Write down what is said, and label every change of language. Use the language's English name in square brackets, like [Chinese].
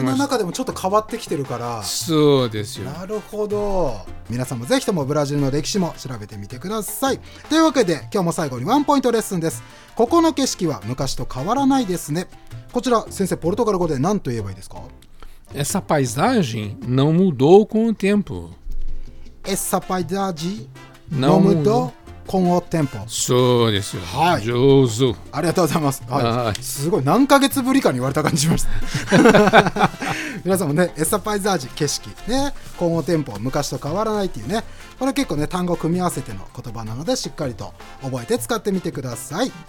[Japanese] 自分の中でもちょっと変わってきてるから。そうですよ。なるほど。皆さんもぜひともブラジルの歴史も調べてみてください。というわけで今日も最後にワンポイントレッスンです。ここの景色は昔と変わらないですね。こちら先生ポルトガル語で何と言えばいいですか。 [Portuguese] Essa paisagem não mudou com o tempo Essa paisagem não mudou com o tempo. [Japanese] そうですよ。はい。上手。ありがとうございます。はい。すごい、何ヶ月ぶりかに言われた感じしました。皆さんもね、エサパイザージ景色ね、今後テンポ昔と変わらないっていうね、これ結構ね単語組み合わせての言葉なのでしっかりと覚えて使ってみてください。